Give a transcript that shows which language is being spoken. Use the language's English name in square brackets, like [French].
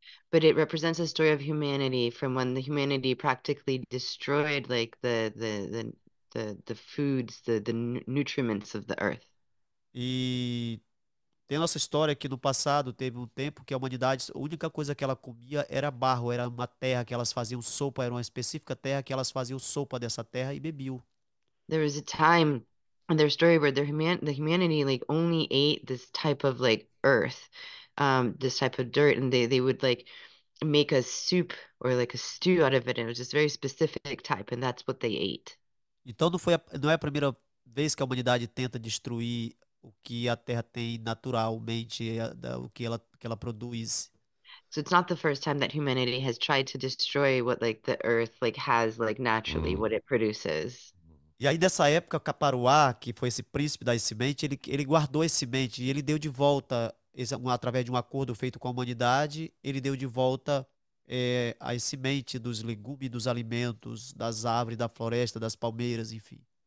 [English] But it represents a story of humanity from when the humanity practically destroyed like the foods, the nutrients of the earth. [Portuguese] E tem nossa história que no passado teve um tempo que a humanidade, a única coisa que ela comia era barro, era uma terra que elas faziam sopa, era uma específica terra que elas faziam sopa dessa terra e bebiam. [English] There was a time in their story where the humanity like only ate this type of like earth, this type of dirt, and they would like make a soup or like a stew out of it, and it was this very specific type, and that's what they ate. [Portuguese] Então não é a primeira vez que a humanidade tenta destruir o que a terra tem naturalmente, o que ela produz. [English] So it's not the first time that humanity has tried to destroy what like the earth like has like naturally what it produces. [Portuguese] E aí dessa época, Caparuá, que foi esse príncipe da semente, ele guardou esse semente e ele deu de volta, através de um acordo feito com a humanidade, ele deu de volta a semente dos legumes, dos alimentos, das árvores, da floresta, das palmeiras, enfim.